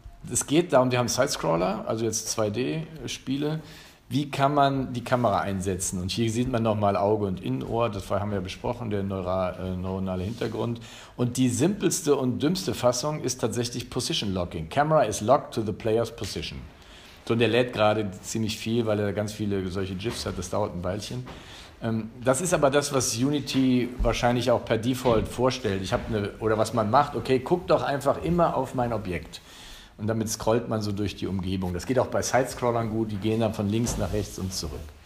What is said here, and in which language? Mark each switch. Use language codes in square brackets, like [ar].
[de] Es geht darum, wir haben Sidescrawler, also jetzt 2D-Spiele. Wie kann man die Kamera einsetzen? Und hier sieht man nochmal Auge und Innenohr, das haben wir ja besprochen, der neuronale Hintergrund. Und die simpelste und dümmste Fassung ist tatsächlich Position Locking. [en] Camera is locked to the player's position. [de] So, und der lädt gerade ziemlich viel, weil er ganz viele solche GIFs hat, das dauert ein Weilchen. Das ist aber das, was Unity wahrscheinlich auch per Default vorstellt. Oder was man macht, okay, guck doch einfach immer auf mein Objekt. Und damit scrollt man so durch die Umgebung. Das geht auch bei Sidescrollern gut, die gehen dann von links nach rechts und zurück.